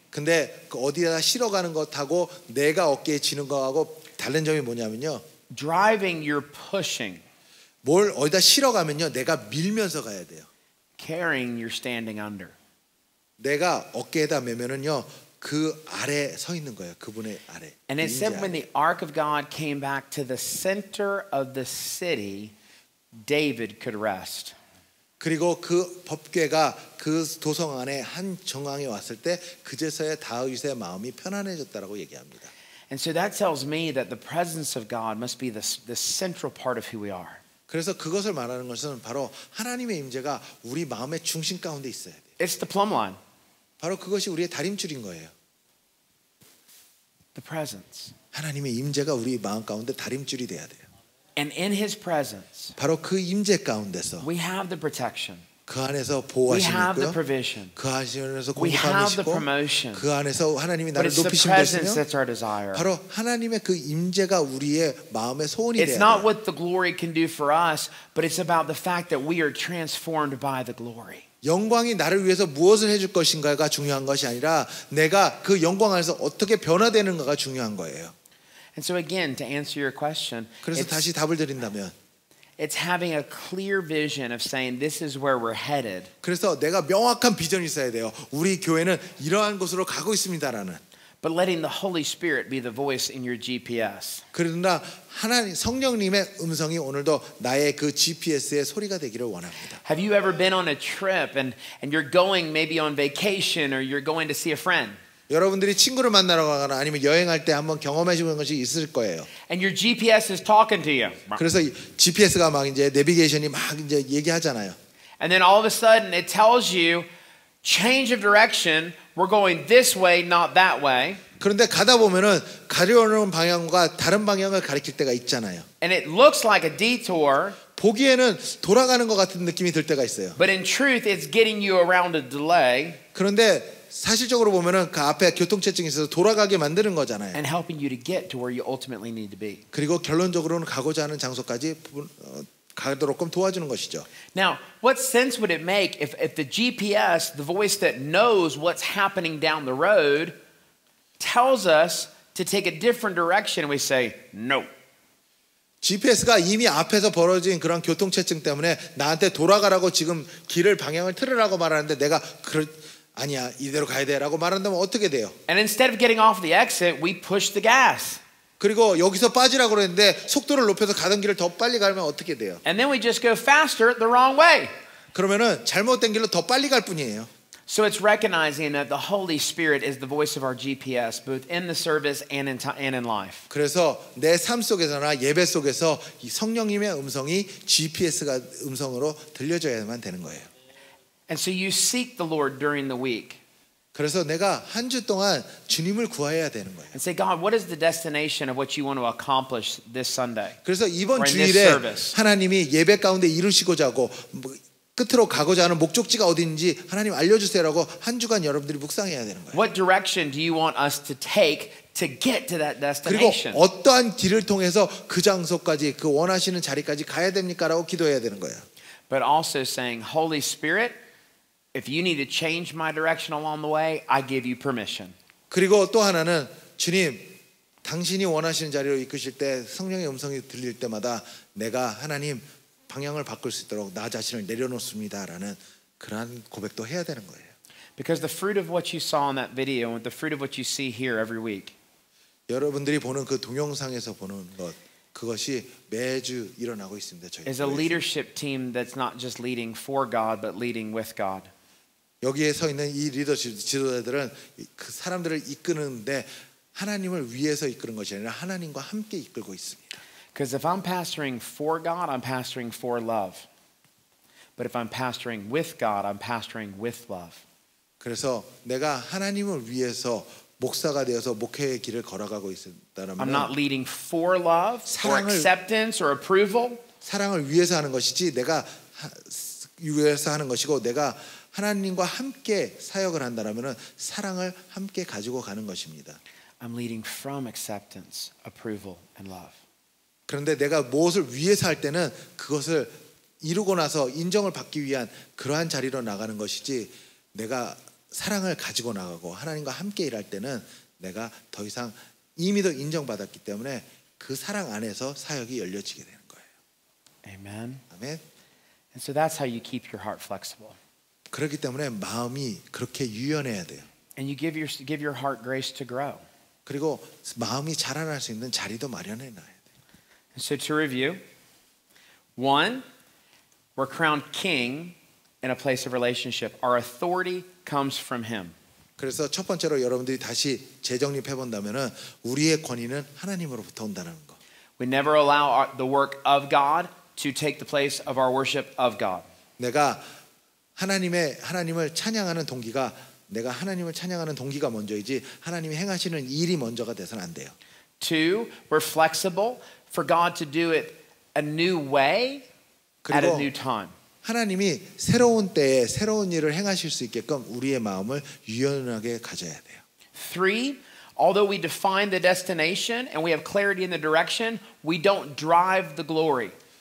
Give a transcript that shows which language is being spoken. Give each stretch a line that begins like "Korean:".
Korean: 근데 그 어디다 실어 가는 것하고 내가 어깨에 지는 것하고 다른 점이 뭐냐면요.
English: Driving, you're pushing.
Korean: 뭘 어디다 실어 가면요, 내가 밀면서 가야 돼요.
English: Carrying, you're standing under.
Korean: 내가 어깨에다 메면은요. 그 아래 서 있는 거예요. 그분의 아래.
English: And it said when the ark of God came back to the center of the city, David could rest.
Korean: 그리고 그 법궤가 그 도성 안에 한 정황에 왔을 때 그제서야 다윗의 마음이 편안해졌다라고 얘기합니다.
English: And so that tells me that the presence of God must be the central part of who we are.
Korean: 그래서 그것을 말하는 것은 바로 하나님의 임재가 우리 마음의 중심 가운데 있어야 돼요.
English: It's the plumb line.
Korean: 바로 그것이 우리의 다림줄인 거예요.
English: The presence.
Korean: 하나님의 임재가 우리 마음 가운데 다림줄이 돼야 돼요.
English: And in his presence.
Korean: 바로 그 임재 가운데서
English: we have the protection.
Korean: 그 안에서 보호하심이 있고요.
English: We have the provision.
Korean: 그 안에서 공급함이 있고.
English: We have the promotion.
Korean: 그 안에서 하나님이 나를 높이심 되시며 바로 하나님의 그 임재가 우리의 마음의 소원이 돼야 돼요.
English: It's not what the glory can do for us, but it's about the fact that we are transformed by the glory.
Korean: 영광이 나를 위해서 무엇을 해줄 것인가가 중요한 것이 아니라 내가 그 영광 안에서 어떻게 변화되는가가 중요한 거예요.
English: And so again, to answer your question,
Korean: 그래서 다시 답을 드린다면
English: it's having a clear vision of saying this is where we're headed.
Korean: 그래서 내가 명확한 비전이 있어야 돼요. 우리 교회는 이러한 곳으로 가고 있습니다라는
English: But letting the Holy Spirit be the voice in your GPS.
Korean: 그러나 하나님 성령님의 음성이 오늘도 나의 그 GPS의 소리가 되기를 원합니다.
English: Have you ever been on a trip and you're going maybe on vacation or you're going to see a friend?
Korean: 여러분들이 친구를 만나러 가거나 아니면 여행할 때 한번 경험하신 것이 있을 거예요.
English: And your GPS is talking to you.
Korean: 그래서 GPS가 막 이제 내비게이션이 막 이제 얘기하잖아요.
English: And then all of a sudden it tells you change of direction. We're going this way, not that way.
Korean: 그런데 가다 보면은 가려는 방향과 다른 방향을 가리킬 때가 있잖아요.
English: And it looks like a detour.
Korean: 보기에는 돌아가는 것 같은 느낌이 들 때가 있어요.
English: But in truth, it's getting you around a delay.
Korean: 그런데 사실적으로 보면은 그 앞에 교통체증이 있어서 돌아가게 만드는 거잖아요.
English: And helping you to get to where you ultimately need to be.
Korean: 그리고 결론적으로는 가고자 하는 장소까지 가도록끔 도와주는 것이죠.
English: Now, what sense would it make if the GPS, the voice that knows what's happening down the road, tells us to take a different direction and we say no?
Korean: GPS가 이미 앞에서 벌어진 그런 교통체증 때문에 나한테 돌아가라고 지금 길을 방향을 틀으라고 말하는데 내가 아니야 이대로 가야 돼라고 말한다면 어떻게 돼요?
English: And instead of getting off the exit, we push the gas.
Korean: 그리고 여기서 빠지라고 그랬는데 속도를 높여서 가던 길을 더 빨리 가면 어떻게 돼요?
English: And then we just go faster the wrong way.
Korean: 그러면은 잘못된 길로 더 빨리 갈 뿐이에요.
English: So it's recognizing that the Holy Spirit is the voice of our GPS, both in the service and in life.
Korean: 그래서 내 삶 속에서나 예배 속에서 이 성령님의 음성이 GPS가 음성으로 들려져야만 되는 거예요.
English: And so you seek the Lord during the week.
Korean: 그래서 내가 한 주 동안 주님을 구해야 되는 거예요.
English: And say, God, what is the destination of what you want to accomplish this Sunday?
Korean: 그래서 이번 주일에 하나님이 예배 가운데 이루시고자 하고 끝으로 가고자 하는 목적지가 어디인지 하나님 알려주세요라고 한 주간 여러분들이 묵상해야 되는 거예요.
English: What direction do you want us to take to get to that destination?
Korean: 그리고 어떠한 길을 통해서 그 장소까지 그 원하시는 자리까지 가야 됩니까라고 기도해야 되는 거예요.
English: But also saying, Holy Spirit, if you need to change my direction along the way, I give you permission.
Korean: 그리고 또 하나는 주님, 당신이 원하시는 자리로 이끄실 때 성령의 음성이 들릴 때마다 내가 하나님 방향을 바꿀 수 있도록 나 자신을 내려놓습니다라는 그런 고백도 해야 되는 거예요.
English: Because the fruit of what you saw in that video and the fruit of what you see here every week.
Korean: 여러분들이 보는 그 동영상에서 보는 것 그것이 매주 일어나고 있습니다. 저희
English: is a leadership team that's not just leading for God but leading with God.
Korean: 여기에 서 있는 이 리더 지도자들은 그 사람들을 이끄는데 하나님을 위해서 이끄는 것이 아니라 하나님과 함께 이끌고 있습니다.
English: Because if I'm pastoring for God, I'm pastoring for love. But if I'm pastoring with God, I'm pastoring with love.
Korean: 그래서 내가 하나님을 위해서 목사가 되어서 목회의 길을 걸어가고 있다라면
English: I'm not leading for love, for acceptance or approval.
Korean: 사랑을 위해서 하는 것이지 내가 위해서 하는 것이고 내가 하나님과 함께 사역을 한다라면은 사랑을 함께 가지고 가는 것입니다.
English: I'm leading from acceptance, approval and love.
Korean: 그런데 내가 무엇을 위해서 할 때는 그것을 이루고 나서 인정을 받기 위한 그러한 자리로 나가는 것이지 내가 사랑을 가지고 나가고 하나님과 함께 일할 때는 내가 더 이상 이미도 인정받았기 때문에 그 사랑 안에서 사역이 열려지게 되는 거예요. 아멘. 아멘.
English: And so that's how you keep your heart flexible.
Korean: 그렇기 때문에 마음이 그렇게 유연해야 돼요.
English: And you give your heart grace to grow.
Korean: 그리고 마음이 자라날 수 있는 자리도 마련해 놔요.
English: So to review, one, we're crowned king in a place of relationship. Our authority comes from him.
Korean: 그래서 첫 번째로 여러분들이 다시 재정립해 본다면은 우리의 권위는 하나님으로부터 온다는 거.
English: We never allow the work of God to take the place of our worship of God.
Korean: 내가 하나님을 찬양하는 동기가 내가 하나님을 찬양하는 동기가 먼저이지 하나님이 행하시는 일이 먼저가 돼서는 안 돼요.
English: Two, we're flexible. For God to do it a new way at a new time.
Korean: 하나님이 새로운 때에 새로운 일을 행하실 수 있게끔 우리의 마음을 유연하게 가져야 돼요.
English: Three, although we define the destination and we have clarity in the direction, we don't drive the glory.